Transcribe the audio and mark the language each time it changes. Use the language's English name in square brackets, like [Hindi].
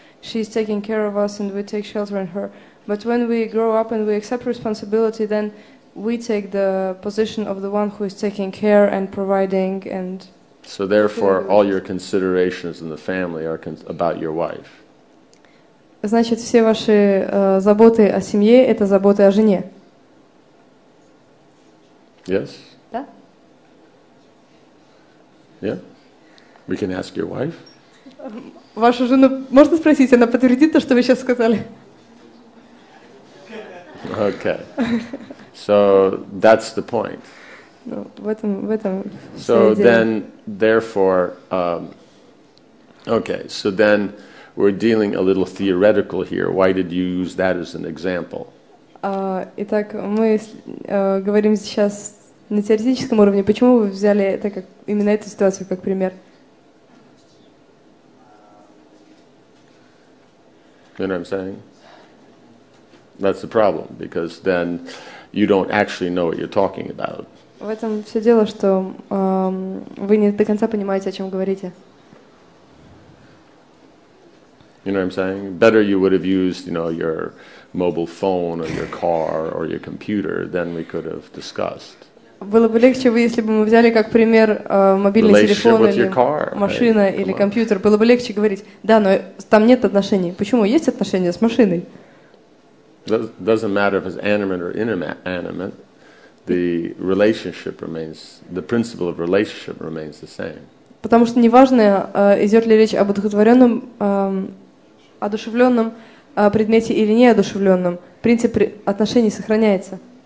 [English] She's taking care of us and we take shelter in her. But when we grow up and we accept responsibility, then we take the position of the one who is taking care and providing and... So therefore, all your considerations in the family are about your wife. [Russian] Значит, все ваши заботы о семье – это заботы о жене. [English] Yes? [Russian] Да? [English] Yeah? We can ask your wife? [Russian] Вашу жену можно спросить? Она подтвердит то, что вы сейчас сказали? [English] Okay. So that's the point. [Russian] Ну, в этом [English] so [Russian] идея. [English] Then, therefore, okay. So then, we're dealing a little theoretical here. Why did you use that as an example? [Russian] Итак, мы говорим сейчас на теоретическом уровне. Почему вы взяли это как именно эту ситуацию как пример? [English] You know what I'm saying? That's the problem, because then you don't actually know what you're talking about. [Russian] В этом все дело, что вы не до конца понимаете, о чем говорите. [English] You know what I'm saying? Better you would have used, you know, your mobile phone or your car or your computer, then we could have discussed. [Russian] Было бы легче, если бы мы взяли как пример мобильный телефон или [English] car, [Russian] машина [English] right? [Russian] или компьютер. Было бы легче говорить, да, но там нет отношений. Почему? Есть отношения с машиной. [English] Doesn't matter if it's animate or inanimate. the relationship remains, the principle of relationship remains the same. [Russian] Потому что неважно, идет ли речь об одухотворенном, одушевленном предмете или неодушевленном, принцип отношений сохраняется.